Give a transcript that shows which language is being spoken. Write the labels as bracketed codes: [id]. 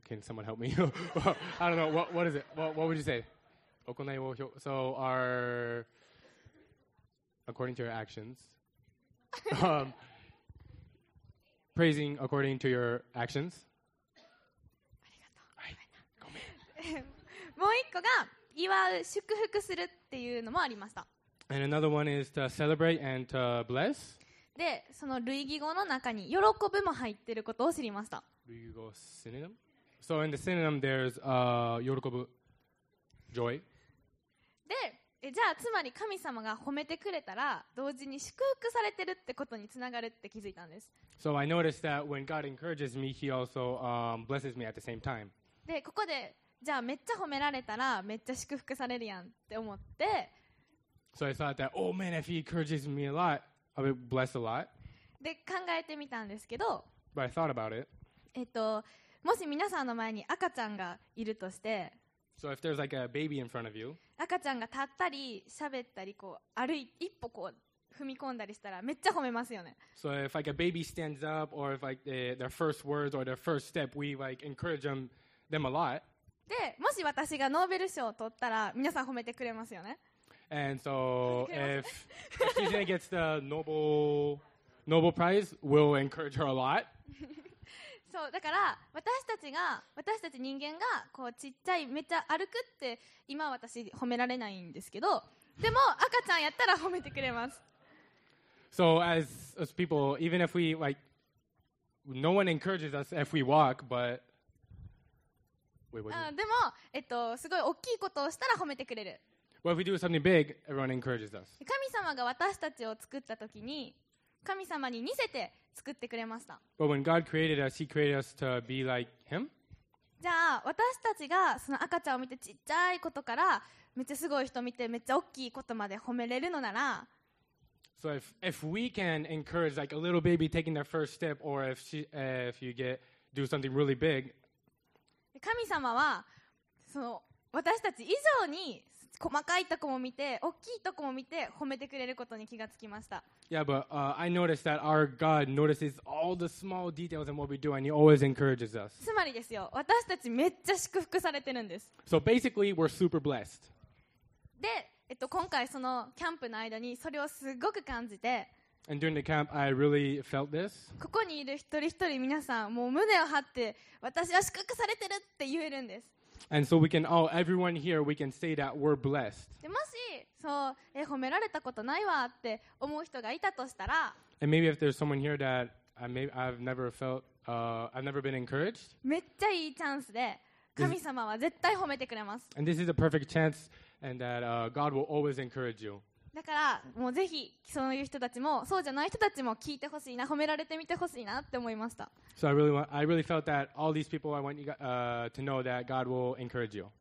[en] Can someone help me? I don't know. What is it? What would you say? [ja] 行いを評、 [en] so our according to your actions. praising according to your actions. [ja] ありがとう。はい。ごめん。もう一個が祝う、祝福するっていうのもありました。 [en] And another one is to celebrate and to bless. [ja] で、その類義語の中に喜ぶも入ってることを知りました。類義語 synonym? [en] So in the synonym there's 喜ぶ joy. [ja] で、じゃあつまり神様が褒めてくれたら同時に祝福されてるってことにつながるって気づいたんです。 [en] So I noticed that when God encourages me, he also blesses me at the same time. [ja] で、ここでじゃあめっちゃ褒められたらめっちゃ祝福されるやんって思って [en] So I thought that, oh man, if he encourages me a lot, I'll be blessed a lot. [ja] で、考えてみたんですけど [en] But I thought about it. [ja] もし皆さんの前に赤ちゃんがいるとして [en] So if there's like a baby in front of you, [ja] 赤ちゃんが立ったり喋ったりこう歩い一歩こう踏み込んだりしたらめっちゃ褒めますよね。 [en] So if like a baby stands up or if like their first words or their first step, we like encourage them a lot. [ja] で、もし私がノーベル賞を取ったら皆さん褒めてくれますよね。 [en] And so if she gets the Nobel Prize, we'll encourage her a lot. [ja] そう、だから私たち人間がこうちっちゃいめっちゃ歩くって今私褒められないんですけど、でも赤ちゃんやったら褒めてくれます。 [en] So as people, even if we like, no one encourages us if we walk, but [ja] でも、すごい大きいことをしたら褒めてくれる。 [en] Well, if we do something big, everyone encourages us. [ja] 神様が私たちを作ったときに、神様に似せて作ってくれました。 [en] But when God created us, He created us to be like Him. [ja] じゃあ、私たちがその赤ちゃんを見てちっちゃいことから、めっちゃすごい人見てめっちゃ大きいことまで褒めれるのなら、 [en] So if we can encourage like a little baby taking their first step, or if you get do something really big. [ja] 神様はその私たち以上に細かいとこも見て大きいとこも見て褒めてくれることに気がつきました。 [en] Yeah, but I noticed that our God notices all the small details in what we do and He always encourages us. [ja] つまりですよ、私たちめっちゃ祝福されてるんです。 [en] So basically, we're super blessed. [ja] で、今回そのキャンプの間にそれをすごく感じて。 [en] And during the camp, I really felt this. [ja] ここにいる一人一人皆さん、もう胸を張って、私は祝福されてるって言えるんです。 [en] And so we can all, everyone here, we can say that we're blessed. [ja] でもし、そう、褒められたことないわって思う人がいたとしたら、 [en] And maybe if there's someone here that I've never felt, I've never been encouraged. [ja] めっちゃいいチャンスで、神様は絶対褒めてくれます。 [en] And this is a perfect chance, and that God will always encourage you. [ja] だからもうぜひそういう人たちもそうじゃない人たちも聞いてほしいな褒められてみてほしいなって思いました。 [en] So I really felt that all these people I want you to know that God will encourage you.